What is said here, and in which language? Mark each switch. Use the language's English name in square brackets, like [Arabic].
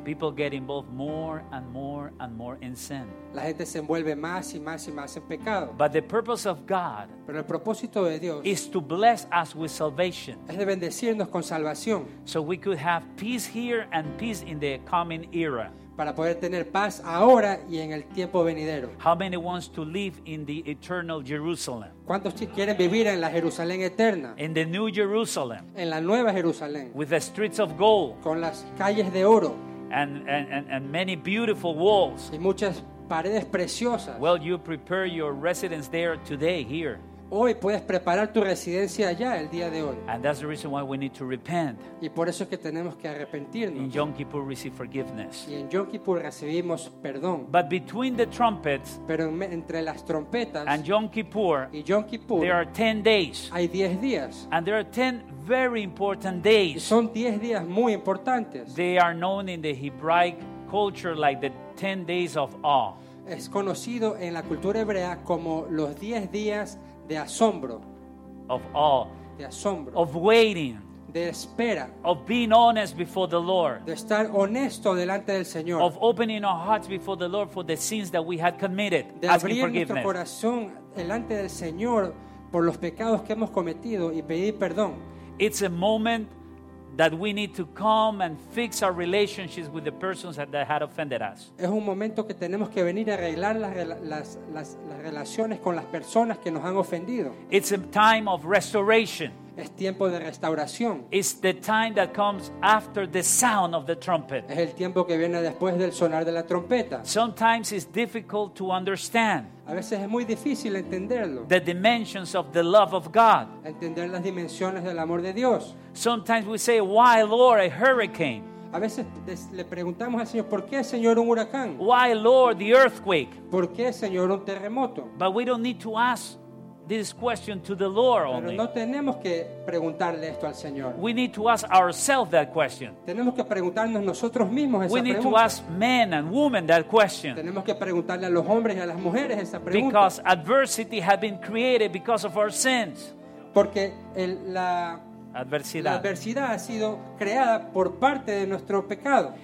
[English] people get involved more and more and more in sin. [Spanish] La gente se envuelve más y más y más en pecado. [English] But the purpose of God, [Spanish] pero el propósito de Dios, [English] is to bless us with salvation. [Spanish] Es de bendecirnos con salvación. [English] So we could have peace here and peace in the coming era. [Spanish] Para poder tener paz ahora y en el tiempo venidero. [English] How many wants to live in the eternal Jerusalem? [Spanish] ¿Cuántos quieren vivir en la Jerusalén eterna? [English] In the new Jerusalem. [Spanish] En la nueva Jerusalén. [English] With the streets of gold. [Spanish] Con las calles de oro. [English] And many beautiful walls. [Spanish] Y muchas paredes preciosas. [English] Well, you prepare your residence there today here. [Spanish] Hoy puedes preparar tu residencia allá el día de hoy. [English] And that's the reason why we need to repent. [Spanish] Y por eso es que tenemos que arrepentirnos. [English] In Yom Kippur receive forgiveness. [Spanish] Y en Yom Kippur recibimos perdón. [English] But between the trumpets, [Spanish] pero entre las trompetas, [English] and Yom Kippur, [Spanish] y Yom Kippur, [English] there are 10 days. [Spanish] Hay 10 días. [English] And there are 10 very important days. [Spanish] Y son 10 días muy importantes. [English] They are known in the Hebraic culture like the 10 days of awe. [Spanish] Es conocido en la cultura hebrea como los 10 días de asombro, [English] of awe, [Spanish] de asombro, [English] of waiting, [Spanish] de espera, [English] of being honest before the Lord, [Spanish] de estar honesto delante del Señor, [English] of opening our hearts before the Lord for the sins that we had committed, [Spanish] de abrir nuestro corazón delante del Señor por los pecados que hemos cometido y pedir perdón. [English] It's a moment that we need to come and fix our relationships with the persons that had offended us. [Spanish] Es un momento que tenemos que venir a arreglar las relaciones con las personas que nos han ofendido. [English] It's a time of restoration. [Spanish] Es tiempo de restauración. [English] It's the time that comes after the sound of the trumpet. [Spanish] Es el tiempo que viene después del sonar de la trompeta. [English] Sometimes it's difficult to understand. [Spanish] A veces es muy difícil entenderlo. [English] The dimensions of the love of God. [Spanish] Entender las dimensiones del amor de Dios. [English] Sometimes we say, "Why, Lord, a hurricane?" [Spanish] A veces le preguntamos al Señor, ¿por qué, Señor, un huracán? [English] Why, Lord, the earthquake? [Spanish] ¿Por qué, Señor, un terremoto? [English] But we don't need to ask this question to the Lord only. [Spanish] Pero no tenemos que preguntarle esto al Señor. [English] We need to ask ourselves that question. [Spanish] Tenemos que preguntarnos nosotros mismos esa pregunta. [English] We need to ask men and women that question. [Spanish] Tenemos que preguntarle a los hombres y a las mujeres esa pregunta. [English] Because adversity has been created because of our sins. [Spanish] Porque la adversidad ha sido creada por parte de nuestro pecado.